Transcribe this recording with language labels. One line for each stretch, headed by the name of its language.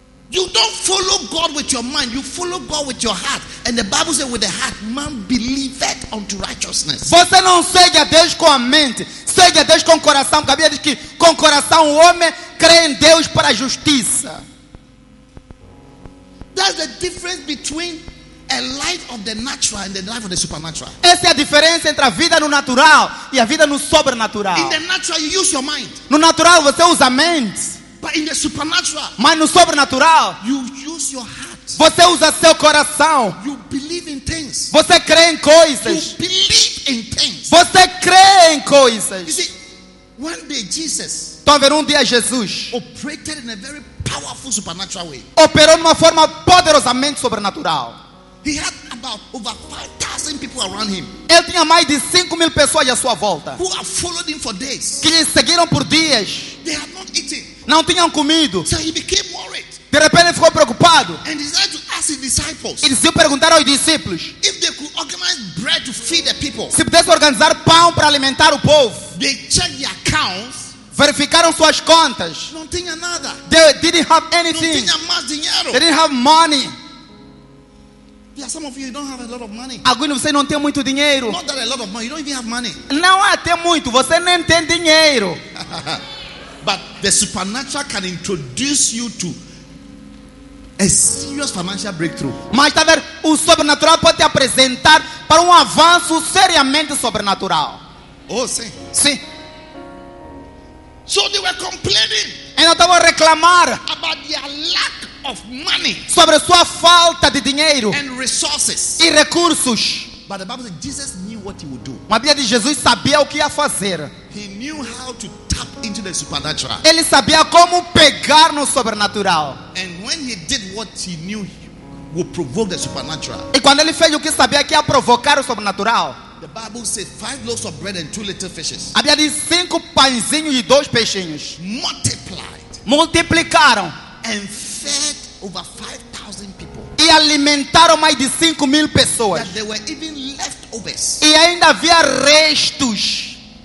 English: You don't follow God with your mind. You follow God with your heart. And the Bible says, with the heart, man believeth unto righteousness.
Portuguese: Você não segue a Deus com a mente. Segue a Deus com o coração. A Bíblia diz que com o coração o homem crê em Deus para a justiça.
English: That's the difference between a life of the natural and the life of the supernatural.
Portuguese: Essa é a diferença entre a vida no natural e a vida no sobrenatural.
English: In the natural, you use your mind.
Portuguese: No natural, você usa a mente.
English: But in the supernatural,
Portuguese: mas no sobrenatural,
English: you use your heart.
Portuguese: Você usa seu coração.
English: You believe in things.
Portuguese: Você crê em coisas.
English: You believe in things.
Portuguese: Você crê em coisas.
English: You see, one day Jesus,
Portuguese: dia Jesus
English: operated in a very powerful supernatural way.
Portuguese: Operou numa forma poderosamente sobrenatural.
English: He had about over 5,000 people around him.
Portuguese: Ele tinha mais de 5,000 pessoas à sua volta.
English: Who have followed him for days.
Portuguese: Que lhe seguiram por dias.
English: They have not eaten.
Portuguese: Não tinham comido.
English: So he became worried.
Portuguese: De repente ficou preocupado.
English: And decided to ask his disciples.
Portuguese: E decidiu perguntar aos discípulos.
English: If they could organize bread to feed the people.
Portuguese: Se pudesse organizar pão para alimentar o povo.
English: They checked their accounts.
Portuguese: Verificaram suas contas. Não tinha nada.
English: They didn't have anything.
Portuguese: Não tinha mais dinheiro.
English: They didn't have money. Yeah, some of you don't have a lot of money.
Portuguese: Alguns de vocês não têm muito dinheiro.
English: Not that a lot of money. You don't even have money.
Portuguese: Não há até muito. Você nem tem dinheiro.
English: But the supernatural can introduce you to a serious financial breakthrough.
Portuguese: Mas está a ver, o sobrenatural pode te apresentar para avanço seriamente sobrenatural. Oh, sim. Sim.
English: So they were complaining.
Portuguese: Então estavam a reclamar
English: about their lack of money.
Portuguese: Sobre sua falta de dinheiro.
English: And resources.
Portuguese: E recursos.
English: But the Bible says Jesus knew what he would do.
Portuguese: Mas a Bíblia diz Jesus sabia o que ia fazer.
English: He knew how to tap into the supernatural.
Portuguese: Ele sabia como pegar no sobrenatural.
English: And when he did what he knew would provoke the supernatural.
Portuguese: E quando ele fez o que sabia que ia provocar o sobrenatural.
English: The Bible says 5 loaves of bread and 2 little fishes.
Portuguese: A Bíblia diz 5 pãezinhos e 2 peixinhos.
English: Multiplied.
Portuguese: Multiplicaram.
English: And fed over 5,000 people.
Portuguese: E alimentaram mais de 5 mil pessoas.
English: That they were even leftovers.
Portuguese: E ainda havia restos.